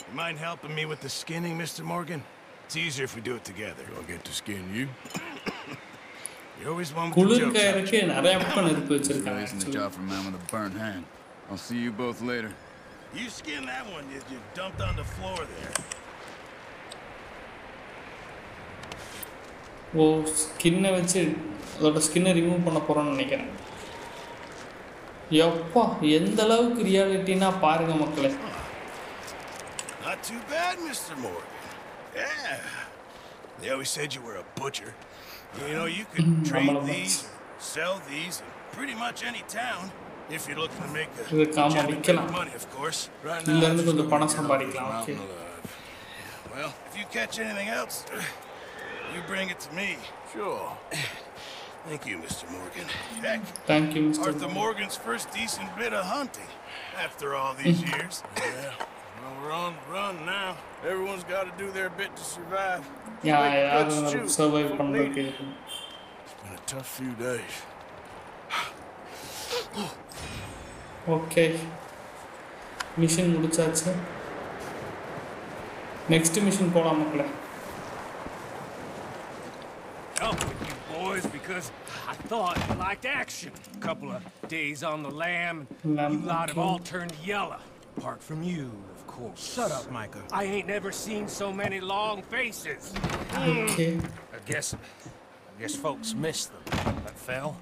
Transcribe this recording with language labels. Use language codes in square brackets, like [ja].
[en] You mind helping me with the skinning, Mr. Morgan? It's easier if we do it together. I'll get to skin you. You always want to do it. This is the job for a man with a burnt hand. I'll see you both later. You skin that one you dumped on the floor there. [ta] ஓ ஸ்கின்னை வச்சு அதோட ஸ்கின்னை remove பண்ண போகிறோன்னு நினைக்கிறேன். எப்பா எந்த அளவுக்கு ரியாலிட்டினா பாருங்க மக்களே. [en] Not too bad, Mr. Morgan. Yeah. They always said you were a butcher. You know, you could trade these, sell these in pretty much any town if you're looking to make a little money, of course. Right now, [ta] கொஞ்சம் பணம் சம்பாதிக்கலாம். [en] Well, if you catch anything else, you bring it to me. Sure. Thank you, Mr. Morgan. Thank you, Mr. Morgan. Arthur Morgan's first decent bit of hunting after all these years. Yeah. Well, we're on the run now. Everyone's got to do their bit to survive. It's been a tough few days. Okay. [ta] Mission முடிச்சாச்சு. [en] Next mission [ta] போலாம் மக்களே. [en] Help with you, boy. boys because I thought you liked action. A couple of days on the lam, you lot have all turned yellow. Apart from you, of course. Shut up, Micah. I ain't never seen so many long faces. Okay. I guess folks miss them. I fell.